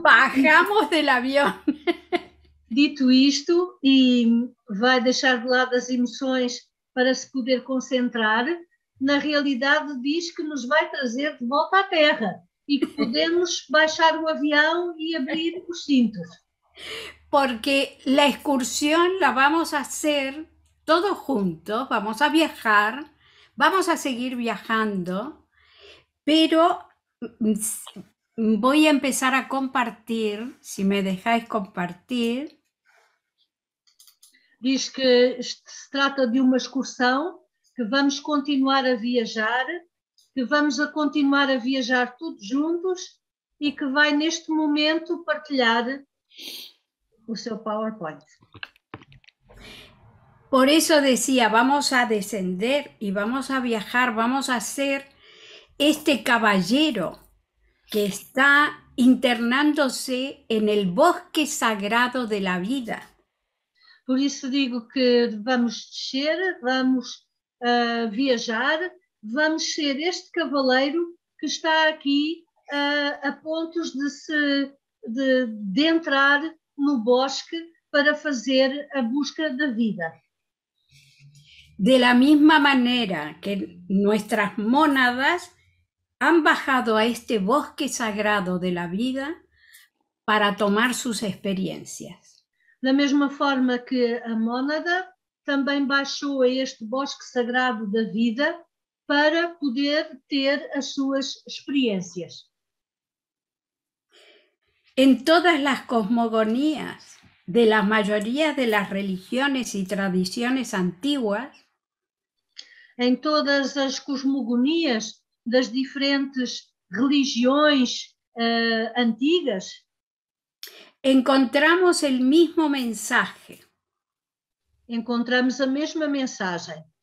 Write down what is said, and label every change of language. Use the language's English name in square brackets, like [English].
[Spanish] bajamos [Portuguese] do avião. dito isto e vai deixar de lado as emoções para se poder concentrar, na realidade diz que nos vai trazer de volta à Terra e que podemos baixar o avião e abrir os cintos. [Spanish] Porque a excursão la vamos a hacer todos juntos, vamos a viajar, vamos a seguir viajando, pero voy a empezar a compartir, si me dejáis compartir. [Portuguese] Diz que se trata de uma excursão, que vamos continuar a viajar, que vamos a continuar a viajar todos juntos e que vai neste momento partilhar o seu PowerPoint. [Spanish] Por eso decía, vamos a descender y vamos a viajar, vamos a ser este caballero que está internándose en el bosque sagrado de la vida. [Portuguese] Por eso digo que vamos descer, vamos viajar, vamos ser este cavaleiro que está aqui a pontos de entrar no bosque para fazer a busca da vida. [Spanish] De la misma manera que nuestras mónadas han bajado a este bosque sagrado de la vida para tomar sus experiencias. [Portuguese] Da mesma forma que a mónada também baixou a este bosque sagrado da vida para poder ter as suas experiências. [Spanish] En todas las cosmogonías de la mayoría de las religiones y tradiciones antiguas, [Portuguese] em todas as cosmogonias das diferentes religiões antigas, encontramos o mesmo [Spanish] mensaje. [Portuguese] Encontramos a mesma mensagem.